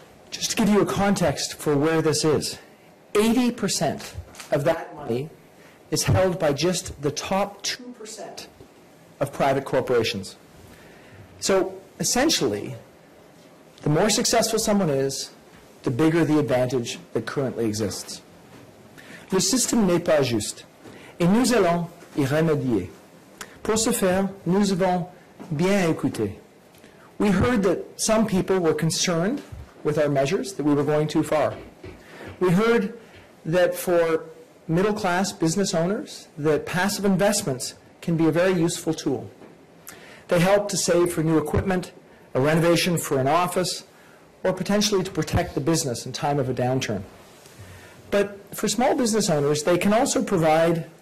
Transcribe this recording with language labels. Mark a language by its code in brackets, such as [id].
[en] Just to give you a context for where this is, 80% of that money is held by just the top 2% of private corporations. So essentially, the more successful someone is, the bigger the advantage that currently exists. [fr] Le système n'est pas juste, et nous allons y remédier. Pour ce faire, nous avons bien écouté. [en] We heard that some people were concerned with our measures, that we were going too far. We heard that for middle-class business owners, that passive investments can be a very useful tool. They help to save for new equipment, a renovation for an office, or potentially to protect the business in time of a downturn. But for small business owners, they can also provide